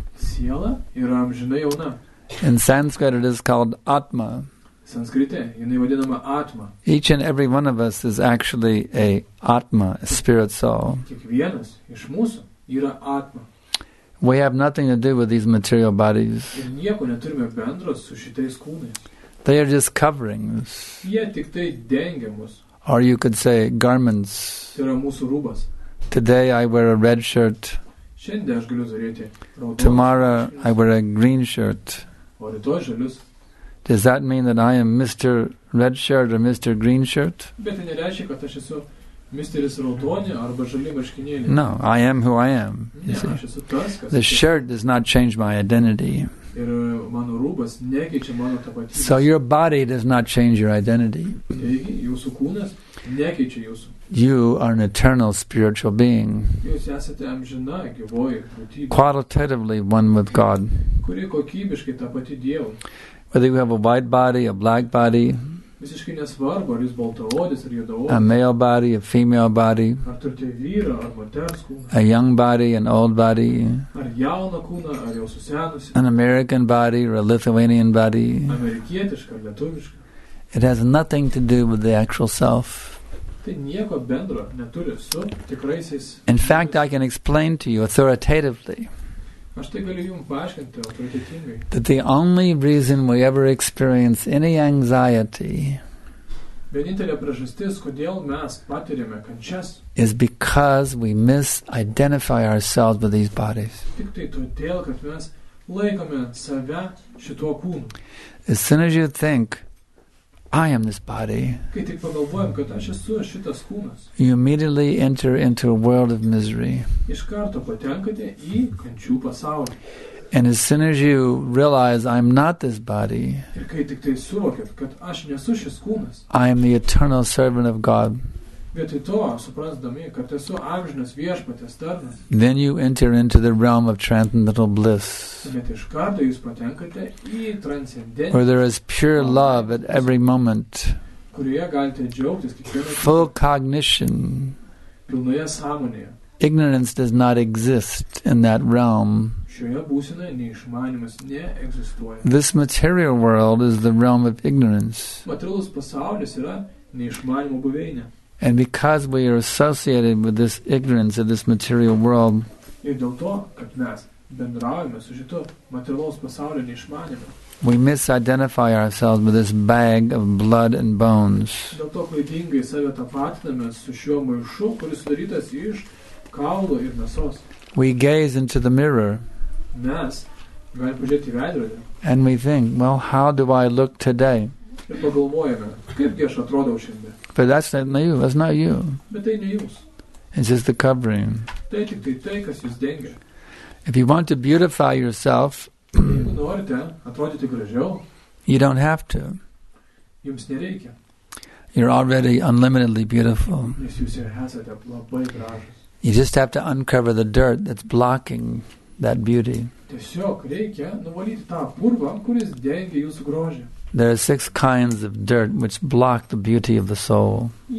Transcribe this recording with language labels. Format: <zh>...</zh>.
<lt>Siela yra amžinai jauna.</lt> <en>In Sanskrit it is called Atma.</en> <lt>Sanskrite, jinai vadinama Atma.</lt> <en>Each and every one of us is actually a Atma, a spirit soul.</en> <lt>Kiekvienas iš mūsų yra Atma.</lt> <en>We have nothing to do with these material bodies.</en> <lt>Ir nieko neturime bendro su šitais kūnais.</lt> <en>They are just coverings.</en> <lt>Jie tik tai dengia mus.</lt> <en>Or you could say garments.</en> <lt>Tai yra mūsų rūbas.</lt> <en>Today I wear a red shirt.</en> <lt>Šiandien aš galiu turėti raudoną.</lt> <en>Tomorrow I wear a green shirt.</en> <lt>O rytoj žalius.</lt> <en>Does that mean that I am Mr. Red Shirt or Mr. Green Shirt?</en> <lt>Bet tai nereiškia, kad aš esu Misteris Raudonė arba Žali Marškinėlė.</lt> <en>No, I am who I am.</en> <lt>Ne, aš esu tas, kas...</lt> <en>The shirt does not change my identity.</en> <lt>Ir mano rūbas nekeičia mano tapatybės.</lt> <en>So your body does not change your identity.</en> <lt>Taigi, jūsų kūnas nekeičia jūsų.</lt> <en>You are an eternal spiritual being.</en> <lt>Jūs esate amžina, gyvoji būtybė.</lt> <en>Qualitatively one with God.</en> <lt>Kuri kokybiškai ta pati Dievu.</lt> <en>Whether you have a white body, a black body,</en> <lt>visiškai nesvarbu, ar jūs baltaodis, ar juodaodis,</lt> <en>a male body, a female body,</en> <lt>ar turite vyrą, ar moters kūną,</lt> <en>a young body, an old body,</en> <lt>ar jauną kūną, ar jau susenusį,</lt> <en>an American body, or a Lithuanian body,</en> <lt>amerikietišką, ar lietuvišką.</lt> <en>It has nothing to do with the actual self.</en> <lt>Tai nieko bendro neturi su tikraisiais.</lt> <en>In fact, I can explain to you authoritatively.</en> <lt>Aš tai galiu jums paaiškinti autoritetingai.</lt> <en>That the only reason we ever experience any anxiety</en> <lt>vienintelė priežastis, kodėl mes patiriame kančias,</lt> <en>is because we misidentify ourselves with these bodies.</en> <lt>Tik tai todėl, kad mes laikome save šituo kūnu.</lt> <en>As soon as you think, I am this body,</en> <lt>kai tik pagalvojam, kad aš esu šitas kūnas,</lt> <en>you immediately enter into a world of misery.</en> <lt>Iš karto patenkate į kančių pasaulį.</lt> <en>And as soon as you realize I'm not this body,</en> <lt>ir kai tik tai suvokit, kad aš nesu šis kūnas,</lt> <en>I am the eternal servant of God.</en> <lt>Vietoj to, suprasdami, kad esu amžinas viešpatės tarnas,</lt> <en>then you enter into the realm of transcendental bliss.</en> <lt>Bet iš karto jūs patenkate į transcendentinį,</lt> <en>where there is pure love at every moment,</en> <lt>kurioje galite džiaugtis kiekvieną,</lt> <en>full cognition,</en> <lt>pilnoje sąmonėje.</lt> <en>Ignorance does not exist in that realm.</en> <lt>Šioje būsinoje neišmanimas neegzistuoja.</lt> <en>This material world is the realm of ignorance.</en> <lt>Materialus pasaulis yra neišmanimo buveinė.</lt> <en>And because we are associated with this ignorance of this material world,</en> <lt>ir dėl to, kad mes bendraujame su šitu materialaus pasaulio neišmanimu,</lt> <en>we misidentify ourselves with this bag of blood and bones.</en> <lt>Dėl to klaidingai save tapatiname su šiuo maišu, kuris sudarytas iš kaulų ir mėsos.</lt> <en>We gaze into the mirror.</en> <lt>Mes galime pažiūrėti į veidrodį.</lt> <en>And we think, well, how do I look today?</en> <lt>Ir pagalvojame, kaipgi aš atrodau šiandien.</lt> <en>But that's not you. That's not you.</en> <lt>Bet tai ne jūs.</lt> <en>It's just the covering.</en> <lt>Tai tik tai tai, kas jūs dengia.</lt> <en>If you want to beautify yourself,</en> <lt>jeigu norite atrodyti gražiau,</lt> <en>you don't have to.</en> <lt>Jums nereikia.</lt> <en>You're already unlimitedly beautiful.</en> <lt>Nes jūs ir esate labai gražus.</lt> <en>You just have to uncover the dirt that's blocking that beauty.</en> <lt>Tiesiog reikia nuvalyti tą purvą, kuris dengia jūsų grožį.</lt> <en>There are six kinds of dirt which block the beauty of the soul.</en>